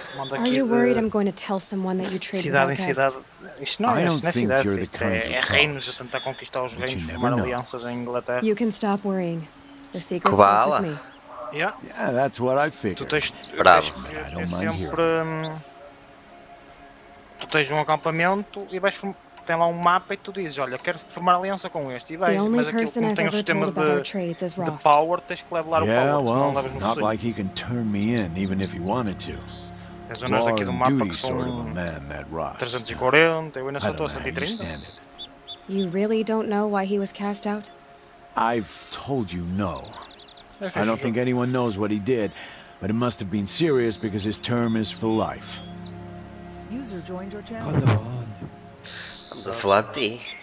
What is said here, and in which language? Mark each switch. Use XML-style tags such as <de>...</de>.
<en>Are you worried I'm going to tell someone that you traded my quest?</en> <pt>Isto não é cidade, isto é reinos a tentar conquistar os reinos, formar alianças em Inglaterra.</pt> <en>You can stop worrying. The secret's safe with me. Yeah. Yeah, that's what I figured.</en> <pt>Tu tens, bravo. Eu sempre... Tu tens um acampamento e vais tem lá um mapa e tu dizes, olha, quero formar aliança com este e vais, mas aquilo que não tem o sistema de power, tens que levelar o power, senão não levas no</pt> <en>Like he can turn me in, even if he wanted to.</en> <pt>As zonas aqui do mapa que são 340, eu ainda só estou a 130.</pt> <en>You really don't know why he was cast out? I've told you no. I don't think anyone knows what he did, but it must have been serious because his term is for life. User joined your channel.</en> <pt>Estamos a falar de ti.</pt>